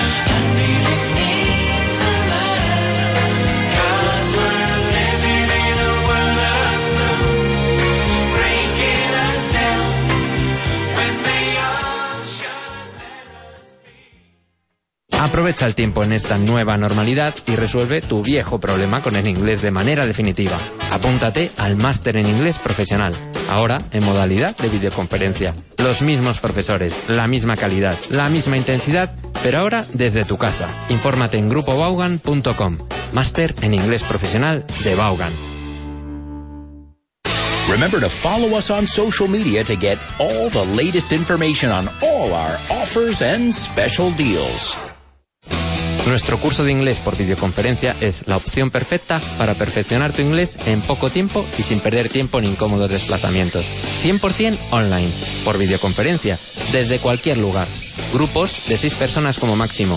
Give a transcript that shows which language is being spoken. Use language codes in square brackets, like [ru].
[en] I really need to learn. 'Cause we're living in a world of rules, breaking us down when they all should let us be. [es] Aprovecha el tiempo en esta nueva normalidad y resuelve tu viejo problema con el inglés de manera definitiva. Apúntate al Máster en Inglés Profesional, ahora en modalidad de videoconferencia. Los mismos profesores, la misma calidad, la misma intensidad, pero ahora desde tu casa. Infórmate en grupobaugan.com. Máster en Inglés Profesional de Vaughan. [en] Remember to follow us on social media to get all the latest information on all our offers and special deals. [es] Nuestro curso de inglés por videoconferencia es la opción perfecta para perfeccionar tu inglés en poco tiempo y sin perder tiempo en incómodos desplazamientos. 100% online, por videoconferencia, desde cualquier lugar. Grupos de 6 personas como máximo.